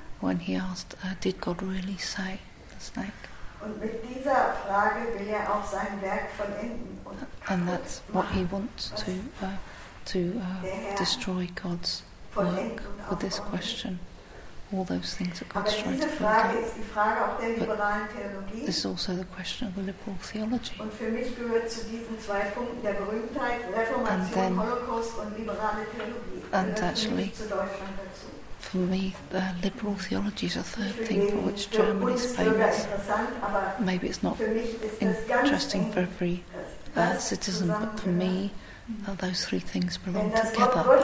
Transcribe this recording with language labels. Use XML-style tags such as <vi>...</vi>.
<en>When he asked, did God really say the snake?</en> <de>Und mit dieser Frage will er auch sein Werk vollenden und</de> <en>and that's what he wants to destroy God's work with this question. All those things that God's trying to fulfill.</en> <de>Aber diese Frage ist die Frage auch der liberalen Theologie.</de> <en>This is also the question of the liberal theology.</en> <de>Und für mich gehört zu diesen zwei Punkten der Berühmtheit Reformation,</de> <en>and then,</en> <de>Holocaust und liberale Theologie.</de> <en>And actually, for me, the liberal theology is a third thing for which Germany is famous. Maybe it's not interesting for every citizen, but for me, those three things belong together.</en>